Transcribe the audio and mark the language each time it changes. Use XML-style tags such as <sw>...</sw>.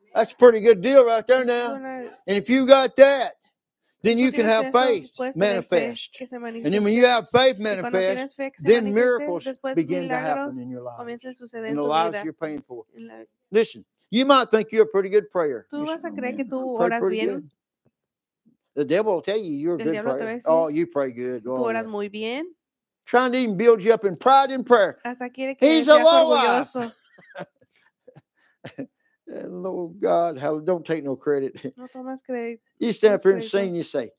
<en>That's a pretty good deal right there now. And if you got that, then you can have faith manifest. And then when you have faith manifest, then miracles begin to happen in your life. In the lives you're praying for. Listen, You might think you're a pretty good prayer.</en> <es>¿Tú vas a creer que tú oras bien?</es> <en>The devil will tell you you're a good prayer. Oh, you pray good.</en> <es>Tú oras muy bien.</es> <en>Trying to even build you up in pride and prayer.</en> <es>Hasta quiere que seas orgulloso.</es> <en>Lord God, don't take no credit.</en> <es>No tomas crédito.</es> <en>You stand up here and sing, you say.</en>